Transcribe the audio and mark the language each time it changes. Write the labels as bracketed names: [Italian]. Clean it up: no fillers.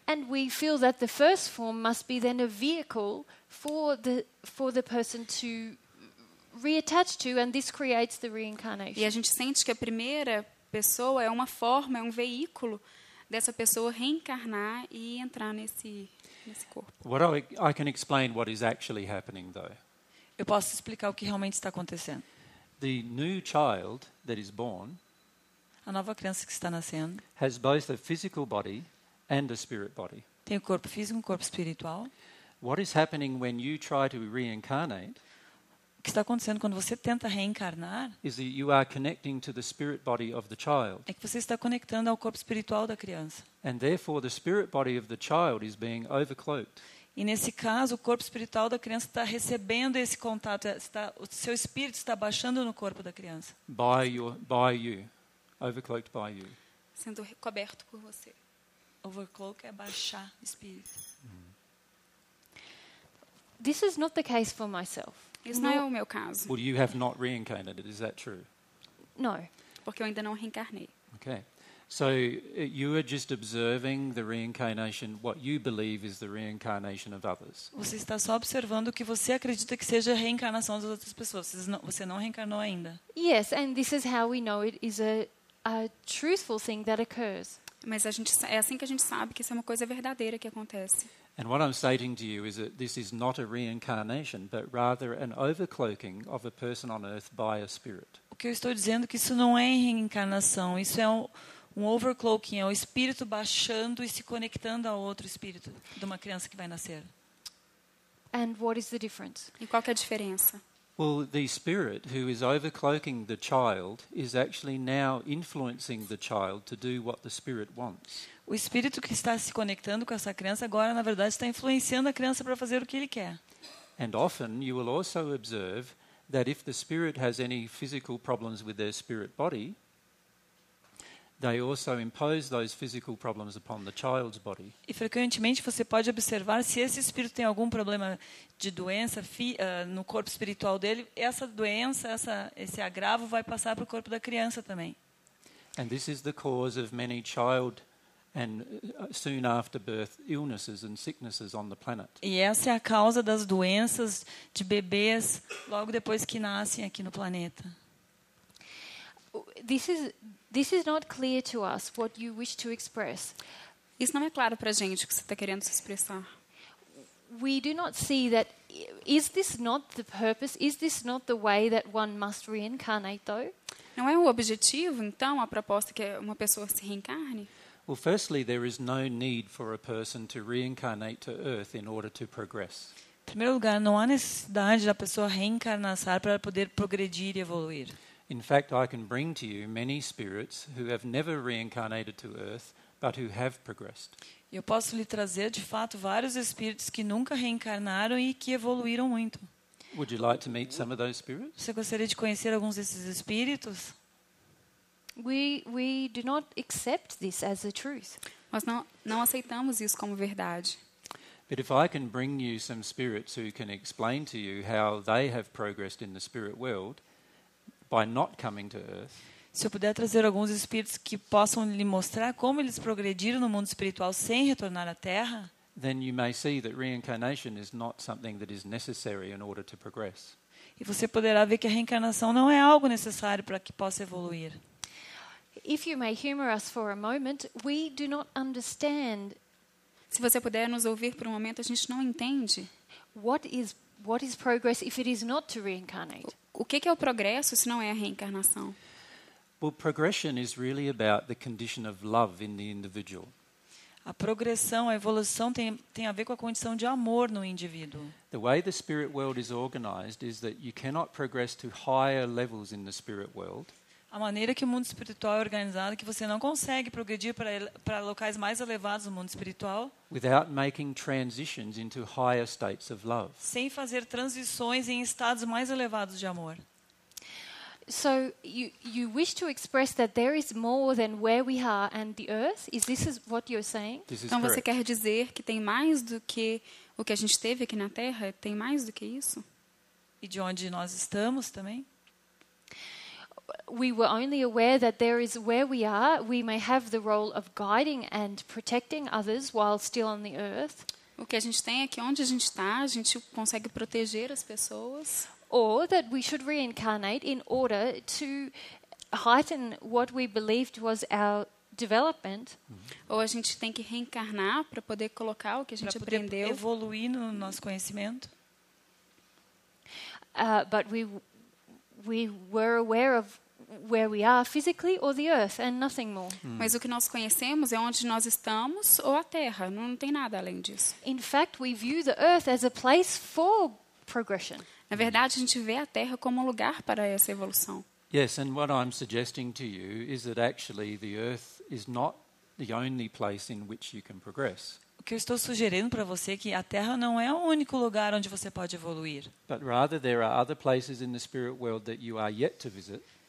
[English] And we feel that the first form must be then a vehicle for the person to reattach to, and this creates the reincarnation. [Portuguese] E a gente sente que a primeira pessoa é uma forma, é um veículo dessa pessoa reencarnar e entrar nesse corpo. [English] What I can explain what is actually happening though. [Portuguese] Eu posso explicar o que realmente está acontecendo. [English] The new child that is born. [Portuguese] A nova criança que está nascendo [English] has both a physical body and a spirit body. [Portuguese] Tem o corpo físico e o corpo espiritual. [English] What is happening when you try to reincarnate? [Portuguese] O que está acontecendo quando você tenta reencarnar? [English] Is that you are connecting to the spirit body of the child. [Portuguese] É que você está conectando ao corpo espiritual da criança. [English] And therefore the spirit body of the child is being overcloaked. [Portuguese] E nesse caso, o corpo espiritual da criança está recebendo esse contato, está, o seu espírito está baixando no corpo da criança. [English] By you. Overcloaked by you. [Portuguese] Sendo coberto por você. Overcloak é baixar o espírito. [English] This is not the case for myself. [Portuguese] Isso não é o meu caso. [English] Well, you have not reincarnated, is that true? No. [Portuguese] Porque eu ainda não reencarnei. [English] Okay. So you are just observing the reincarnation, what you believe is the reincarnation of others. [Portuguese] Você está só observando o que você acredita que seja a reencarnação das outras pessoas. Você não reencarnou ainda. [English] Yes, and this is how we know it is a truthful thing that occurs. [Portuguese] Mas a gente, é assim que a gente sabe que isso é uma coisa verdadeira que acontece. [English] And what I'm stating to you is that this is not a reincarnation, but rather an overcloaking of a person on earth by a spirit. [Portuguese] O que eu estou dizendo é que isso não é reencarnação, isso é um overcloaking, é o espírito baixando e se conectando a outro espírito de uma criança que vai nascer. [English] And what is the difference? [Portuguese] E qual que é a diferença? [English] Well, the spirit who is overcloaking the child is actually now influencing the child to do what the spirit wants. [Portuguese] O espírito que está se conectando com essa criança agora, na verdade, está influenciando a criança para fazer o que ele quer. [English] And often you will also observe that if the spirit has any physical problems with their spirit body, they also impose those physical problems upon the child's body. [Portuguese] E frequentemente você pode observar se esse espírito tem algum problema de doença no corpo espiritual dele, essa doença, esse agravo vai passar para o corpo da criança também. [English] And this is the cause of many child and soon after birth illnesses and sicknesses on the planet. [Portuguese] E essa é a causa das doenças de bebês logo depois que nascem aqui no planeta. [English] This is not clear to us what you wish to express. [Portuguese] Isso não é claro para a gente o que você está querendo se expressar. [English] We do not see that. Is this not the purpose? Is this not the way that one must reincarnate, though? [Portuguese] Não é o objetivo, então, a proposta que uma pessoa se reencarne? [English] Well, firstly, there is no need for a person to reincarnate to Earth in order to progress. [Portuguese] Em primeiro lugar, não há necessidade da pessoa reencarnar para poder progredir e evoluir. [English] In fact, I can bring to you many spirits who have never reincarnated to Earth, but who have progressed. [Portuguese] Eu posso lhe trazer, de fato, vários espíritos que nunca reencarnaram e que evoluíram muito. [English] Would you like to meet some of those spirits? [Portuguese] Você gostaria de conhecer alguns desses espíritos? [English] We do not accept this as a truth. [Portuguese] Nós não aceitamos isso como verdade. [English] But if I can bring you some spirits who can explain to you how they have progressed in the spirit world. By not coming to Earth. [Portuguese] Se eu puder trazer alguns espíritos que possam lhe mostrar como eles progrediram no mundo espiritual sem retornar à Terra, [English] then you may see that reincarnation is not something that is necessary in order to progress. [Portuguese] E você poderá ver que a reencarnação não é algo necessário para que possa evoluir. [English] If you may humor us for a moment, we do not understand. [Portuguese] Se você puder nos ouvir por um momento, a gente não entende. [English] What is progress if it is not to reincarnate? [Portuguese] O que é o progresso se não é a reencarnação? [English] Well, progression is really about the condition of love in the individual. [Portuguese] A progressão, a evolução tem a ver com a condição de amor no indivíduo. [English] The way the spirit world is organized is that you cannot progress to higher levels in the spirit world. [Portuguese] A maneira que o mundo espiritual é organizado é que você não consegue progredir para locais mais elevados do mundo espiritual [English] without making transitions into higher states of love. [Portuguese] Sem fazer transições em estados mais elevados de amor. [English] So you wish to express that there is more than where we are and the earth? Is this what you're saying? [Portuguese] Então você quer dizer que tem mais do que o que a gente teve aqui na Terra? Tem mais do que isso? E de onde nós estamos também? [English] We were only aware that there is where we are. We may have the role of guiding and protecting others while still on the earth. [Portuguese] O que a gente tem é que onde a gente está, a gente consegue proteger as pessoas. [English] Or that we should reincarnate in order to heighten what we believed was our development. [Portuguese] Ou a gente tem que reencarnar para poder colocar o que a gente aprendeu, evoluir no nosso conhecimento. [English] But we were aware of where we are physically or the earth and nothing more. [Portuguese] Mas o que nós conhecemos é onde nós estamos ou a terra, não tem nada além disso. [English] In fact, we view the earth as a place for progression. [Portuguese] Na verdade, a gente vê a terra como um lugar para essa evolução. [English] Yes, and what I'm suggesting to you is that actually the earth is not the only place in which you can progress. [Portuguese] O que eu estou sugerindo para você é que a Terra não é o único lugar onde você pode evoluir. [English] But rather there are other places in the spirit world that you are yet to visit.